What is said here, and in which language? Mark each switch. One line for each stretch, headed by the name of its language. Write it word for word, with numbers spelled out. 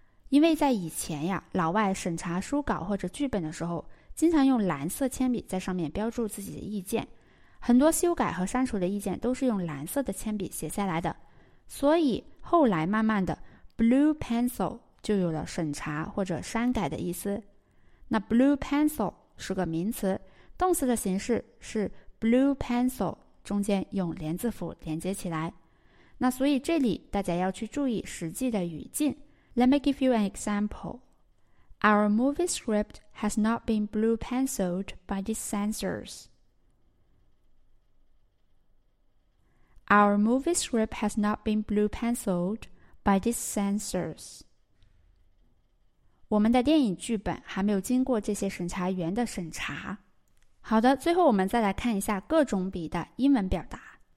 Chinese: 因为在以前呀，老外审查书稿或者剧本的时候，经常用蓝色铅笔在上面标注自己的意见，很多修改和删除的意见都是用蓝色的铅笔写下来的，所以后来慢慢的 blue pencil就有了审查或者删改的意思。那 blue pencil 是个名词，动词的形式是 blue pencil， 中间用连字符连接起来。那所以这里大家要去注意实际的语境。
English: Let me give you an example. Our movie script has not been blue penciled by these censors. Our movie script has not been blue penciled by these censors.
Chinese: 我们的电影剧本还没有经过这些审查员的审查。好的，最后我们再来看一下各种笔的英文表达。